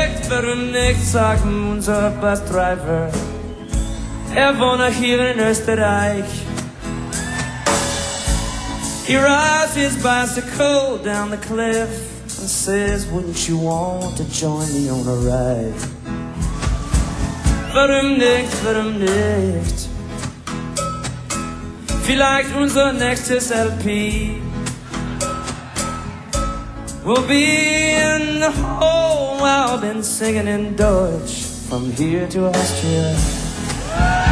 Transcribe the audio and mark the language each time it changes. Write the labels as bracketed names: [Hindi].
[German] Warum nicht, sagt unser Bus-Driver. Wohne hier in Österreich. [English] He rides his bicycle down the cliff and says, wouldn't you want to join me on a ride? [German] Warum nicht, warum nicht? Vielleicht unser nächstes [English] LP will be in the whole world and singing in Deutsch from here to Austria.